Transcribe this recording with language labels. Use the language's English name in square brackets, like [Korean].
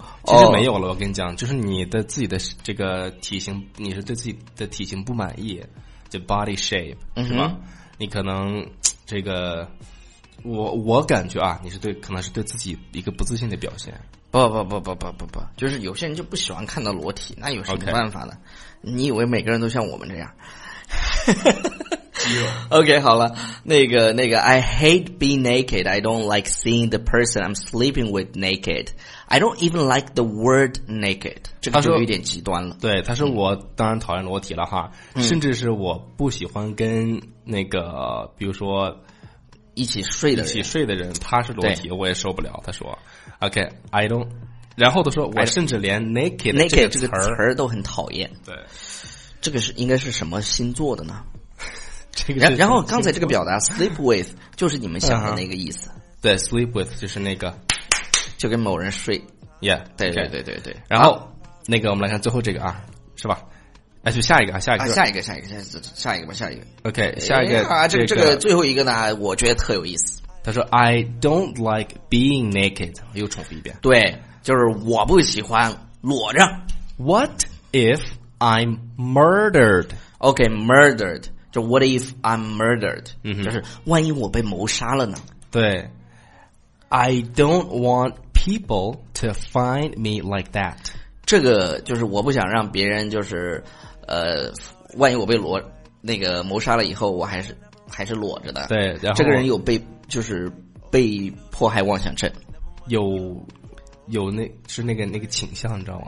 [Chinese] 其实没有了，我跟你讲，就是你的自己的这个体型，你是对自己的体型不满意，就 body shape, 是吧、嗯、你可能这个我感觉啊，你是对，可能是对自己一个不自信的表现。不，就是有些人就不喜欢看到裸体，那有什么办法呢、 [English] okay. [Chinese] 你以为每个人都像我们这样肌肉。 [English] OK, [Chinese] 好了，那个 [English] I hate being naked, I don't like seeing the person I'm sleeping with naked, I don't even like the word naked, [Chinese] 这个就有点极端了。对，他说我当然讨厌裸体了哈、嗯、甚至是我不喜欢跟那个比如说一起睡的人他是裸体我也受不了。他说 OK, [English] I don't, [Chinese] 然后他说我甚至连 naked 这个词儿都很讨厌。对，这个是应该是什么星座的呢？这个是，然后刚才这个表达 sleep with 就是你们想的那个意思、 [English] uh-huh. [Chinese] 对， sleep with 就是那个就跟某人睡。 [English] yeah, [Chinese] 对对对对对。然后那个我们来看最后这个啊，是吧，哎，就下一个啊，下一个吧。 OK, 下一个、哎、这个最后一个呢，我觉得特有意思。他说 [English] ：“I don't like being naked。” [Chinese] 又重复一遍。对，就是我不喜欢裸着。 [English] What if I'm murdered? OK, murdered. 就 What if I'm murdered?、嗯、 [Chinese] 就是万一我被谋杀了呢？对。 [English] I don't want people to find me like that. [Chinese] 这个就是我不想让别人就是。万一我被裸那个谋杀了以后，我还是裸着的。对，然后这个人有被就是被迫害妄想症，有那是那个倾向，你知道吗？